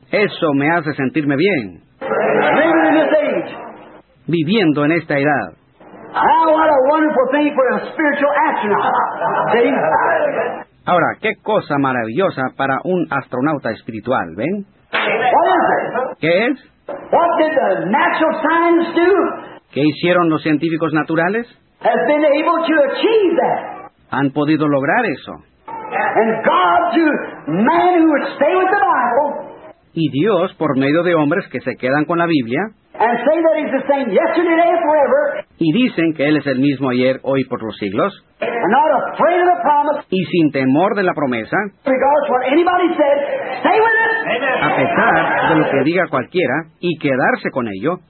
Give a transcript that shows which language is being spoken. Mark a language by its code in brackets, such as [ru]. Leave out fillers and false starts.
[es] Eso me hace sentirme bien. [en] Living in this age. [es] Viviendo en esta edad. [en] Oh, what a wonderful thing for a spiritual astronaut. See? [es] Ahora, qué cosa maravillosa para un astronauta espiritual, ¿ven? [en] What is it? [es] ¿Qué es? [en] What did the natural science do? [es] ¿Qué hicieron los científicos naturales? [en] Has been able to achieve that. [es] Han podido lograr eso. [en] And God to man who would stay with the Bible. [es] Y Dios, por medio de hombres que se quedan con la Biblia, [en] and say that he's the same yesterday, today, and forever. [es] Y dicen que él es el mismo ayer, hoy, por los siglos. [en] And not afraid of the promise. [es] Y sin temor de la promesa. [en] Regardless of what anybody said, stay with it. [es] A pesar de lo que diga cualquiera, y quedarse con ello.